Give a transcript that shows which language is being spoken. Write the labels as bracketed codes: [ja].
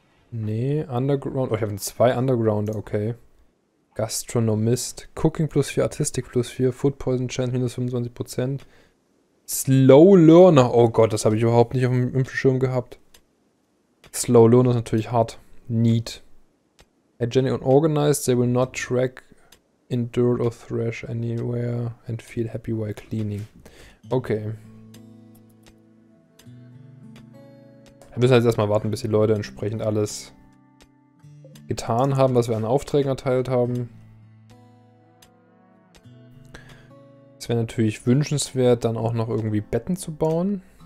[en] Nee, Underground. [de] Oh, ich habe zwei Undergrounder, okay. [en] Gastronomist, Cooking plus 4, Artistic plus 4, Food Poison Chance minus 25%. [de] Slow Learner, oh Gott, das habe ich überhaupt nicht auf dem Schirm gehabt. Slow Learner ist natürlich hart. Neat. [en] Agenic und Organized, they will not track in dirt or thrash anywhere and feel happy while cleaning. Okay. [de] Wir müssen jetzt erstmal warten, bis die Leute entsprechend alles getan haben, was wir an Aufträgen erteilt haben. Es wäre natürlich wünschenswert, dann auch noch irgendwie Betten zu bauen.